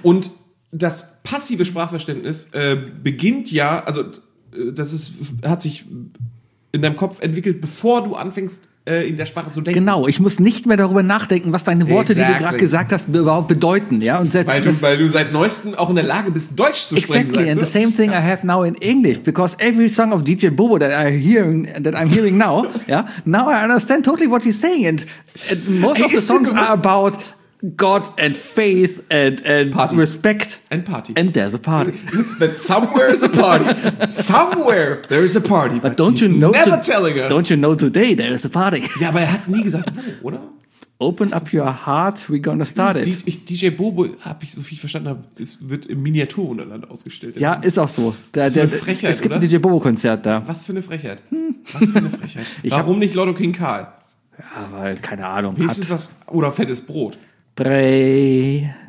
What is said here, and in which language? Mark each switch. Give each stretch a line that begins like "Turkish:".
German: Und das passive Sprachverständnis beginnt ja, also das ist, hat sich in deinem Kopf entwickelt, bevor du anfängst, in der Sprache zu denken. Genau, ich muss nicht mehr darüber nachdenken, was deine Worte, exactly, die du gerade gesagt hast, überhaupt bedeuten. Ja? Und weil du seit neuestem auch in der Lage bist, Deutsch zu sprechen.
English: Exactly, and the same thing, ja, I have now in English, because every song of DJ Bobo that I'm hearing now, yeah, now I understand totally what he's saying. And most of the songs are about God and faith and party. Respect. And party. And there's a party. But somewhere is a party. Somewhere there is a party. But don't you know? Never telling us. Don't you know today there is a party?
German: Ja, aber er hat nie gesagt, wo, oder?
English: Open up your heart, we're gonna start it.
German: DJ Bobo, habe ich so viel verstanden, es wird im Miniaturwunderland ausgestellt. Ja, ist auch so. Der ist eine Frechheit, es gibt oder? Ein DJ Bobo-Konzert da. Was für eine Frechheit. Warum nicht Lotto King Karl? Ja, weil, keine Ahnung. Wenigstens was. Oder fettes Brot. Brei.